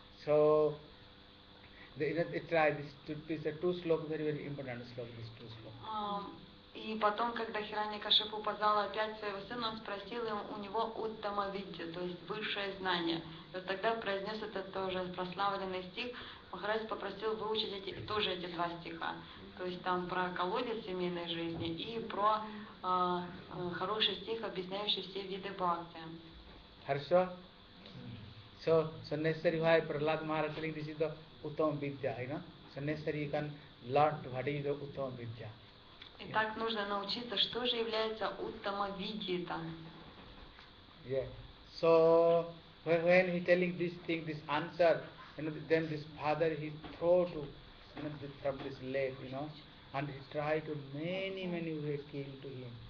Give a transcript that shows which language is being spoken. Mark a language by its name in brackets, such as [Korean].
[English] So, it's a two slok, very, very important slok, these two slok. [Russian] И потом, когда Хираньякашипу позвал опять своего сына, он спросил у него Уттама Виддья, то есть высшее знание. И вот тогда произнес этот тоже прославленный стих, Махарадж попросил выучить эти два стиха. То есть там про колодец семейной жизни и про хороший стих, объясняющий все виды бхакти. Хорошо. [English] So Sanneshwari, why Prahlad Maharaj telling this is the Uttam Vidya, you know? Sanneshwari, you can learn what is the Uttam Vidya. [Russian] Итак, нужно научиться, что же является Уттама Видьята. [English] Yeah. So when he telling this thing, this answer, you know, then this father he throw to, you know, from this lake, you know, and he try to many ways came to him.